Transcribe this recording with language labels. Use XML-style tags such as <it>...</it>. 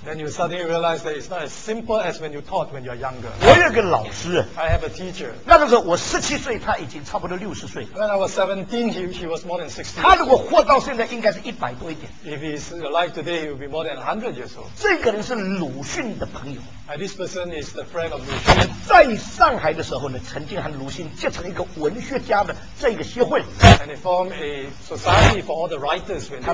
<en>Then you suddenly realize that it's not as simple as when you thought when you're younger.</en> <zh>我有个老师。</zh> <en>I have a teacher.</en> <zh>那个时候我17岁，他已经差不多60岁。</zh> <en>When I was 17, he was more than 60.</en> <zh>他如果活到现在，应该是100多一点。</zh> <en>If he's alive today, he will be more than 100 years old.</en> <zh>这个人是鲁迅的朋友。</zh> <en>And this person is the friend of 鲁迅。</en> <zh>在上海的时候呢，曾经和鲁迅结成一个文学家的这个协会。</zh> <en>And he formed a society for all the writers.</en>